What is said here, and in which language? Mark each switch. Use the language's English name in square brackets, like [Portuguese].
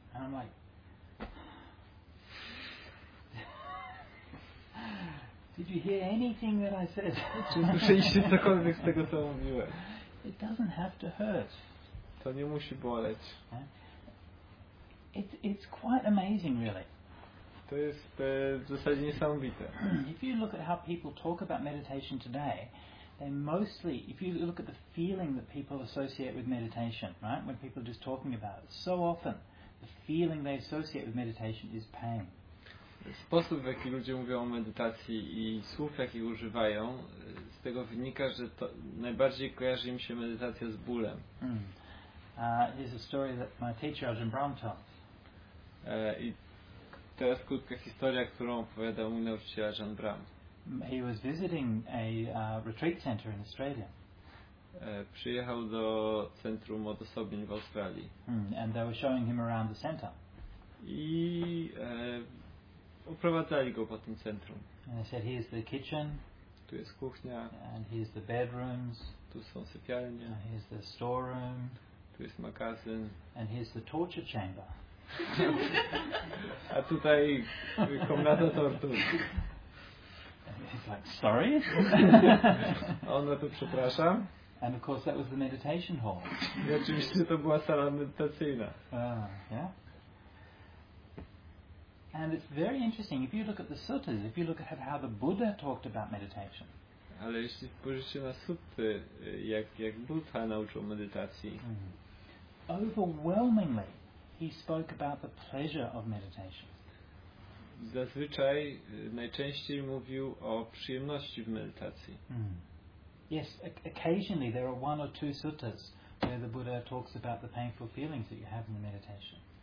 [English] And I'm like, did you hear anything that I said? [Polish] Czy słyszeliście cokolwiek z tego, co mówiłem? [English] It doesn't have to hurt. [Polish] To nie musi boleć. [English] It's quite amazing, really. [Polish] To jest w zasadzie niesamowite. [English] If you look at how people talk about meditation today, they mostly, if you look at the feeling that people associate with meditation, right, when people are just talking about it, so often the feeling they associate with meditation is pain. [Polish] Sposób, w jaki ludzie mówią o medytacji i słów, jakich używają, z tego wynika, że to najbardziej kojarzy im się medytacja z bólem. [English] Here's a story that my teacher Ajahn Brahm tells. [Polish] I to jest krótka historia, którą opowiadał mój nauczyciel Ajahn Brahm. [English] He was visiting a retreat center in Australia. [Polish] Przyjechał do centrum odosobień w Australii. [English] And they were showing him around the center. [Polish] I uprowadzali go po tym centrum. [English] And they said, here's the kitchen. [Polish] Tu jest kuchnia. [English] And here's the bedrooms. [Polish] Tu są sypialnie. [English] And here's the storeroom. [Polish] Tu jest magazyn. [English] And here's the torture chamber. [Polish] A tutaj komnata tortur. [English] He's like, sorry? [Polish] On na to przepraszam. [English] And of course that was the meditation hall. [Polish] I oczywiście to była sala medytacyjna. [English] And it's very interesting, if you look at the suttas, if you look at how the Buddha talked about meditation. [Polish] Ale jeśli spojrzycie na sutty, jak Buddha nauczył medytacji. [English] Overwhelmingly, he spoke about the pleasure of meditation. [Polish] Zazwyczaj, najczęściej mówił o przyjemności w medytacji. [English] Yes, occasionally there are one or two suttas where the Buddha talks about the painful feelings that you have in the meditation.